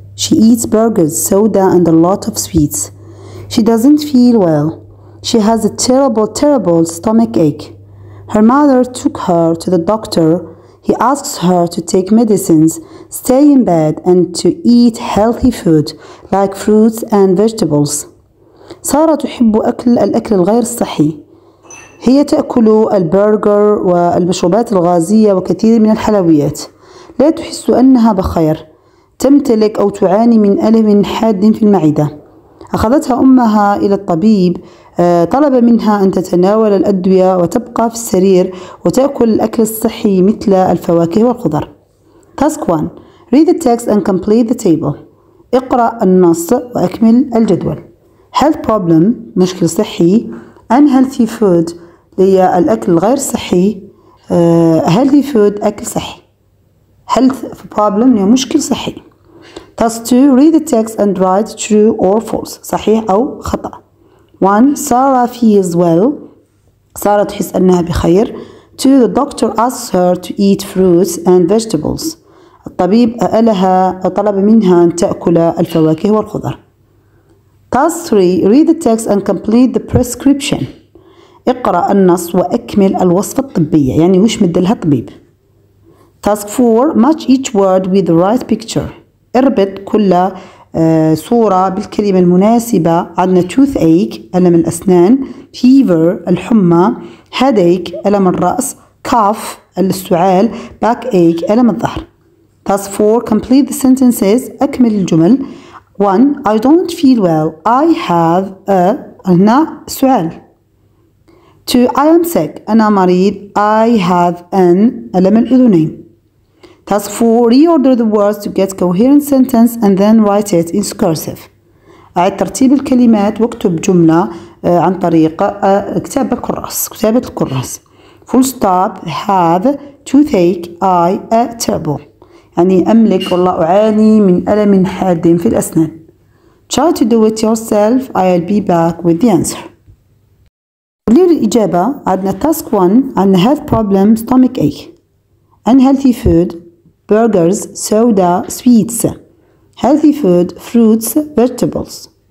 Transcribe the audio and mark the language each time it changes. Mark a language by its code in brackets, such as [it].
[en] She eats burgers, soda, and a lot of sweets. She doesn't feel well. She has a terrible, terrible stomach ache. Her mother took her to the doctor. He asks her to take medicines, stay in bed, and to eat healthy food like fruits and vegetables. [ar] سارة تحب أكل الأكل الغير صحي. هي تأكل البرجر والمشروبات الغازية وكثير من الحلويات. لا تحس أنها بخير. تمتلك أو تعاني من ألم حاد في المعدة. أخذتها أمها إلى الطبيب. طلب منها أن تتناول الأدوية وتبقى في السرير وتأكل الأكل الصحي مثل الفواكه والخضر. [en] Task 1. Read the text and complete the table. [ar] اقرأ النص وأكمل الجدول. [en] Health problem [ar] مشكل صحي. [en] Unhealthy food [ar] هي الأكل الغير صحي. [en] Healthy food [ar] أكل صحي. [en] Health problem [ar] هي مشكل صحي. [en] Task 2. Read the text and write true or false. [ar] صحيح أو خطأ. [en] 1. Sarah feels well. [ar] سارة تحس أنها بخير. 2. [en] The doctor asks her to eat fruits and vegetables. [ar] الطبيب أألها طلب منها أن تأكل الفواكه والخضر. [en] Task 3. Read the text and complete the prescription. [ar] اقرأ النص وأكمل الوصفة الطبية. يعني وش مدلها الطبيب. [en] Task 4. Match each word with the right picture. [ar] اربط كل صورة بالكلمة المناسبة. عندنا toothache ألم الأسنان, fever الحمى, headache ألم الرأس, cough السعال, backache ألم الظهر. [en] Task 4. Complete the sentences. [ar] أكمل الجمل. [en] 1. I don't feel well. I have a [ar] هنا سعال. [en] 2. I am sick. [ar] أنا مريض. [en] I have an [ar] ألم الأذنين. [en] Task 4. Reorder the words to get coherent sentence and then write it in cursive. أعد ترتيب الكلمات واكتب جملة عن طريق كتابة الكراس. [ar] كتابة الكراس. [en] Full stop. Have toothache. I a terrible. [ar] يعني أملك والله أعاني من ألم حاد في الأسنان. [en] Try to do it yourself. I'll be back with the answer. [ar] للإجابة عندنا [en] task 1 عن health problem stomach ache. Unhealthy food. Burgers, soda, sweets. Healthy food, fruits, vegetables.